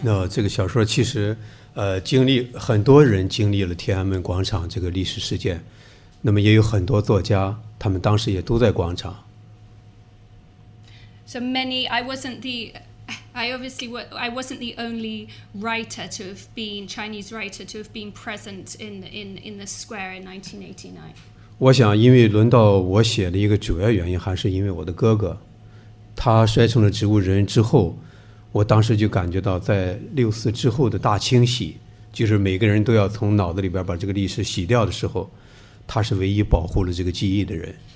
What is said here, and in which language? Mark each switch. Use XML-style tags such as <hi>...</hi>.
<zh>那这个小说其实经历很多人经历了天安门广场这个历史事件，那么也有很多作家他们当时也都在广场。</zh> <en>So many, I wasn't the only writer to have been, Chinese writer to have been present in the square in 1989.</en> <zh>我想因为轮到我写的一个主要原因还是因为我的哥哥，他摔成了植物人之后，我当时就感觉到在六四之后的大清洗，就是每个人都要从脑子里边把这个历史洗掉的时候，他是唯一保护了这个记忆的人。</zh>